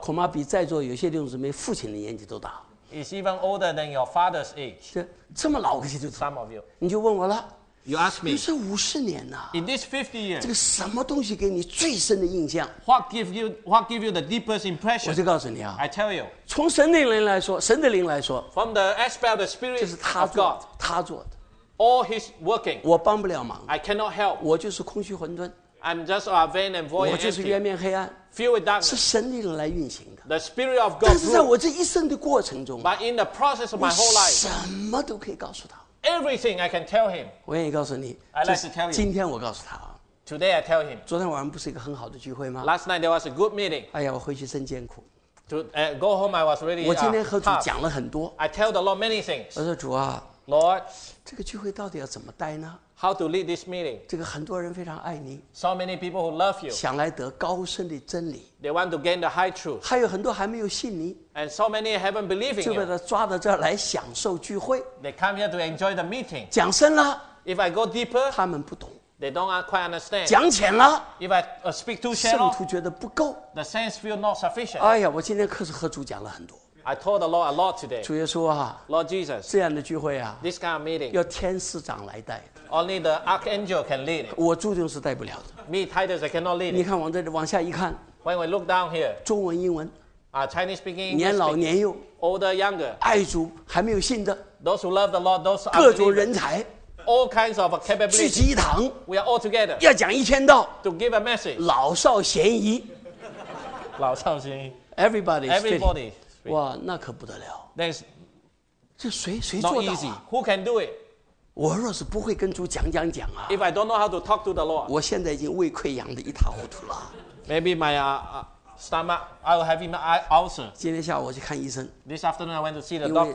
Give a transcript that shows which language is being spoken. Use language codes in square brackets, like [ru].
[zh] 恐怕比在座有些弟兄姊妹父亲的年纪都大。 [en] It's even older than your father's age. [zh] 这么老个基督徒 [en] ，Some of you， [zh] 你就问我了 [en] ，You ask me， [zh] 你是五十年呐、啊、 [en] ？In this 50 years， [zh] 这个什么东西给你最深的印象 [en] ？What give you the deepest impression？ [zh] 我就告诉你啊 [en] ，I tell you， [zh] 从神的灵来说，神的灵来说 [en] ，From the aspect of the spirit， [zh] 就是他做的， [en] God, [zh] 他做的 [en] ，All his working， [zh] 我帮不了忙 [en] ，I cannot help， [zh] 我就是空虚混沌。 [en] I'm just a vain and void. [zh] 我就是渊面黑暗 [en] ，filled with darkness. [zh] 是神力量来运行的 [en] ，the spirit of God. [zh] 但是在我这一生的过程中 [en] ，but in the process of my whole life, [zh] 什么都可以告诉他 [en] ，everything I can tell him. [zh] 我愿意告诉你 [en] ，I'd like to tell you. [zh] 今天我告诉他 [en] ，today I tell him. [zh] 昨天晚上不是一个很好的聚会吗 [en] ？Last night there was a good meeting. [zh] 哎呀，我回去真艰苦。 [en] To go home, I was really. [zh] 我今天和主讲了很多 [en] ，I tell the Lord many things. [zh] 我说主啊 [en] Lord, [zh] 这个聚会到底要怎么待呢？ [en] How to lead this meeting? [zh] 这个很多人非常爱你。 [en] So many people who love you. [zh] 想来得高深的真理。 [en] They want to gain the high truth. [zh] 还有很多还没有信你。 [en] And so many haven't believed in you. [zh] 就被他抓到这儿来享受聚会。 [en] They come here to enjoy the meeting. [zh] 讲深了。 [en] If I go deeper, [zh] 他们不懂。 [en] They don't quite understand. [zh] 讲浅了。 [en] If I speak too shallow, [zh] 圣徒觉得不够。 [en] The saints feel not sufficient. [zh] 哎呀，我今天可是和主讲了很多。 [en] I told the Lord a lot today. [zh] 主耶稣啊， [en] Lord Jesus, [zh] 这样的聚会啊， [en] this kind of meeting, [zh] 要天使长来带的。 [en] Only the archangel can lead. [zh] 我注定是带不了的。 [en] Me, Titus, I cannot lead. [zh] 你看往这里往下一看， [en] when we look down here, [zh] 中文英文， [en] Chinese speaking, [zh] 年老年幼， [en] older younger, [zh] 爱主还没有信的， [en] those who love the Lord, those [zh] 各种人才， [en] all kinds of capability, [zh] 聚集一堂， [en] we are all together, [zh] 要讲一千道， [en] to give a message, [zh] 老少咸宜，老少咸宜， [en] everybody, everybody. [zh] 哇，那可不得了！但是，这谁做到啊 [en] ？Not easy. Who can do it? [zh] 我若是不会跟主讲啊 [en] ，If I don't know how to talk to the Lord, [zh] 我现在已经胃溃疡的一塌糊涂了。 [en] Maybe my stomach, I will have an ulcer. [zh] 今天下午我去看医生。 [en] This afternoon I went to see the doctor.